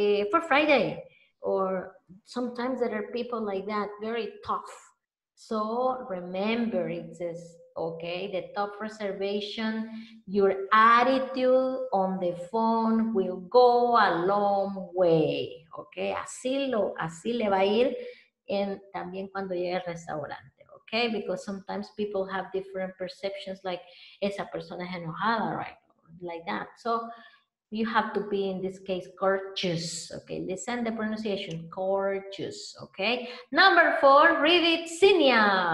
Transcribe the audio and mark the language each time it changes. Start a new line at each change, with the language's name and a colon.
English: For Friday, or sometimes there are people like that, very tough. So remember, it says, okay, the top reservation, your attitude on the phone will go a long way.
Spanish: Okay, así le va a ir en también cuando llegue al restaurante.
English: Okay, because sometimes people have different perceptions, like
Spanish: esa persona es enojada,
English: right? Like that. So you have to be, in this case, courteous. Okay, listen the pronunciation, courteous. Okay, number four, read it, Senia.